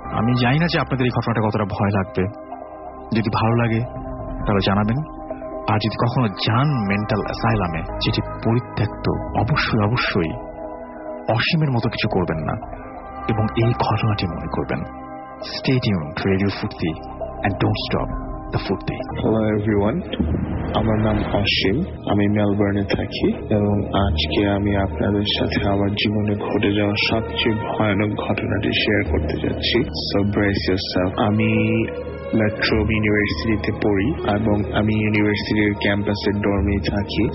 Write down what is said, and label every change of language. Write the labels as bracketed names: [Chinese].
[Bangla] আমি জানি না যে আপনাদের এই ঘটনাটা কতটা ভয় লাগবে, যদি ভালো লাগে তাহলে জানাবেন, আর যদি কখনো যান মেন্টাল অ্যাসাইলামে, যেটি পরিত্যক্ত, অবশ্যই অবশ্যই অসীমের মতো কিছু করবেন না এবং এই ঘটনাটি মনে করবেন। [English] Stay tuned, Radio Futi, and don't stop the Futi. Hello everyone, [Bangla] আমার নাম অসীম, আমি মেলবোর্নে থাকি এবং আজকে আমি আপনাদের সাথে আমার জীবনে ঘটে যাওয়া সবচেয়ে ভয়ানক ঘটনাটি শেয়ার করতে যাচ্ছি। [English] So brace yourself. [Bangla] আমি মেট্রো ইউনিভার্সিটিতে পড়ি এবং আমি ইউনিভার্সিটির ক্যাম্পাসে ডর্মে থাকি।